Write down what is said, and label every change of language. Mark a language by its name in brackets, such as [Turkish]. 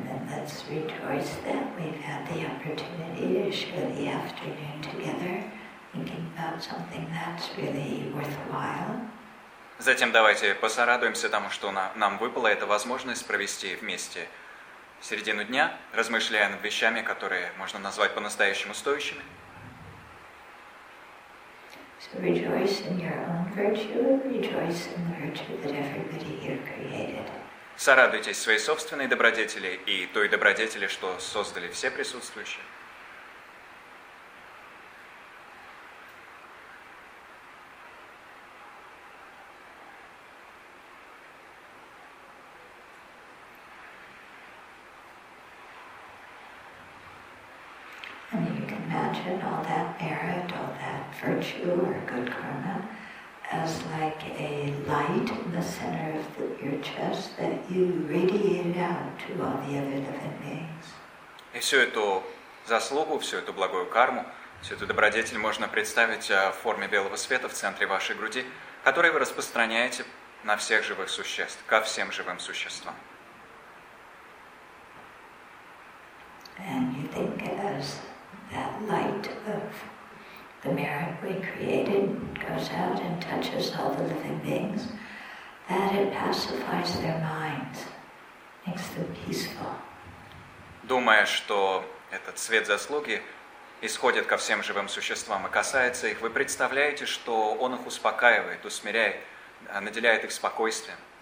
[English] Let's rejoice that we've had the opportunity to share the afternoon together, thinking about something that's really worthwhile. [Russian] Затем давайте посорадуемся тому, что нам выпала эта возможность провести вместе середину дня, размышляя над вещами, которые можно назвать по-настоящему стоящими. [English] So rejoice in your own virtue, rejoice in the virtue that everybody here created. [Russian] Сорадуйтесь своей собственной добродетели и той добродетели, что создали все присутствующие. [English] And you can imagine all that merit, all that virtue or good karma as like a light in the center of your chest that you radiate out to all the other living beings. [Russian] И всю эту заслугу, всю эту благую карму, всю эту добродетель можно представить в форме белого света в центре вашей груди, который вы распространяете на всех живых существ, ко всем живым существам. [English] And you think as that light of the merit we created goes out and touches all the living beings, that it pacifies their minds, makes them peaceful. [Russian] Думая, что этот свет заслуги исходит ко всем живым существам и касается их, вы представляете, что он их успокаивает, усмиряет, наделяет их спокойствием.